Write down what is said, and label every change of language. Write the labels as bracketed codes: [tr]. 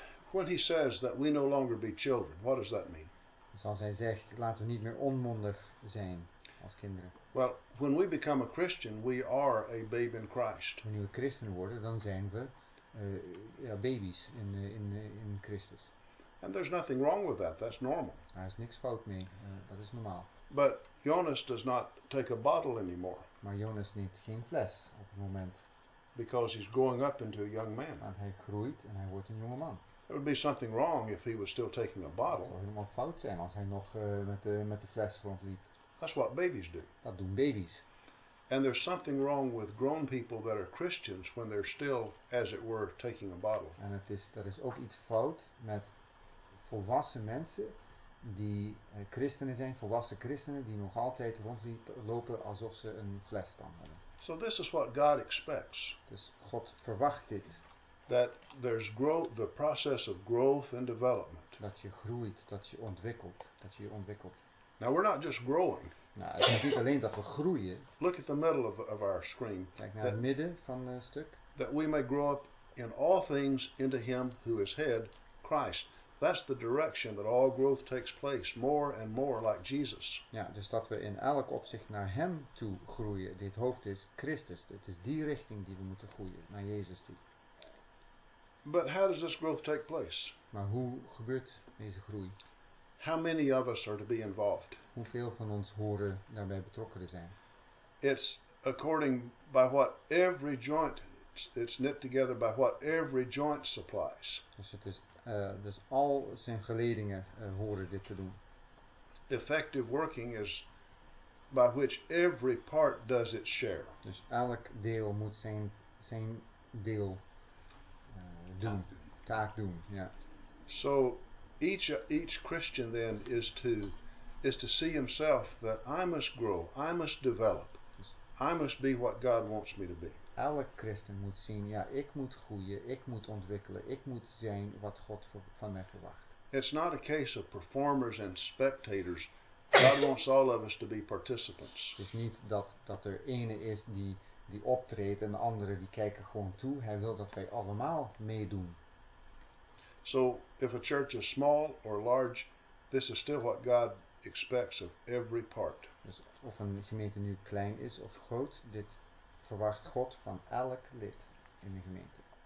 [en] When he says that we no longer be children, what does that mean? [nl] Dus als hij zegt, laten we niet meer onmondig zijn. Als kinderen. [en] Well, when we become a Christian, we are a babe in Christ. [nl] Wanneer we christen worden, dan zijn we baby's in Christus. [en] And there's nothing wrong with that. That's normal. [nl] Daar is niks fout mee. Dat is normaal. [en] But Jonas does not take a bottle anymore. [nl] Maar Jonas neemt geen fles op het moment. [en] Because he's growing up into a young man. [nl] Want hij groeit en hij wordt een jonge man. A [en] There would be something wrong if he was still taking a bottle. [nl] Het zou helemaal fout zijn als hij nog met de fles rondliep. [en] That's what babies do. [nl] Dat doen baby's. [en] And there's something wrong with grown people that are Christians when they're still, as it were, taking a bottle. [nl] En het is, dat is ook iets fout met volwassen mensen die christenen zijn, volwassen christenen die nog altijd rondlopen alsof ze een fles stand hebben. [en] So this is what God expects. [nl] Dus God verwacht dit. [en] That there's the process of growth and development. [nl] Dat je groeit, dat je ontwikkelt, dat je ontwikkelt. [en] Now we're not just growing. [nl] Nou, het is natuurlijk alleen dat we groeien. [en] Look at the middle of our screen. [nl] Kijk naar het midden van het stuk. [en] That we may grow up in all things into Him who is head, Christ. That's the direction that all growth takes place, more and more like Jesus. [nl] Ja, dus dat we in elk opzicht naar Hem toe groeien. Dit hoofd is Christus. Het is die richting die we moeten groeien naar Jezus toe. [en] But how does this growth take place? [nl] Maar hoe gebeurt deze groei? [en] How many of us are to be involved? [nl] Hoeveel van ons horen daarbij betrokken te zijn? [en] It's according by what every joint, it's knit together by what every joint supplies. [nl] Dus het is, dus al zijn geledingen horen dit te doen. [en] Effective working is by which every part does its share. [nl] Dus elk deel moet zijn deel doen, taak doen, ja. [en] So each Christian then is to see himself that I must grow, I must develop, I must be what God wants me to be. [nl] Elk Christen moet zien, ja, ik moet groeien, ik moet ontwikkelen, ik moet zijn wat God van mij verwacht. [en] It's not a case of performers and spectators. God wants all of us to be participants. [nl] Het is niet dat er ene is die optreedt en de anderen die kijken gewoon toe. Hij wil dat wij allemaal meedoen. [en] So if a church is small or large, this is still what God expects of every part. [nl] Dus of een gemeente nu klein is of groot, dit verwacht God van elk lid in de gemeente.